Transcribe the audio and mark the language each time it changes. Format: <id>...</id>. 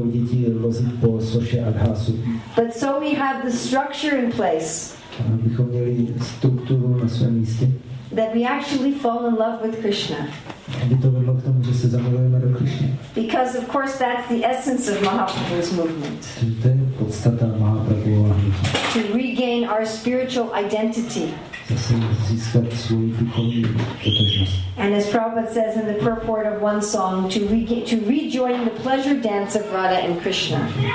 <en>But so we have the structure in place.</en> <cs>Abychom měli strukturu na svém místě.</cs> <en>That we actually fall in love with Krishna.</en> <cs>Aby to vedlo k tomu, že se zamilujeme do Krishny.</cs> <en>Because of course that's the essence of Mahaprabhu's movement.</en> <cs>To je podstata Mahaprabhuova hnutí.</cs> <en>To regain our spiritual identity.</en> <cs>Zase získat svou duchovní totožnost.</cs> <en>And as Prabhupada says in the purport of one song, to rejoin the pleasure dance of Radha and Krishna.</en>